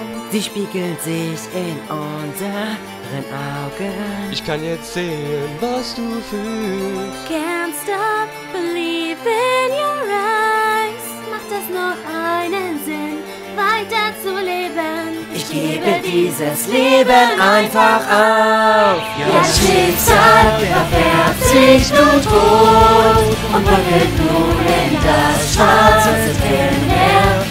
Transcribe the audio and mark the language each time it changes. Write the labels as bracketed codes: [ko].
[de] Sie spiegelt sich in unseren Augen. Ich kann jetzt sehen, was du fühlst. [en] Can't stop believing your eyes. [de] Macht es noch einen Sinn, weiter zu leben? Ich gebe dieses Leben einfach auf. Ja, Schicksal verfärbt sich nun rot und wackelt nun in das schwarze Trimmer.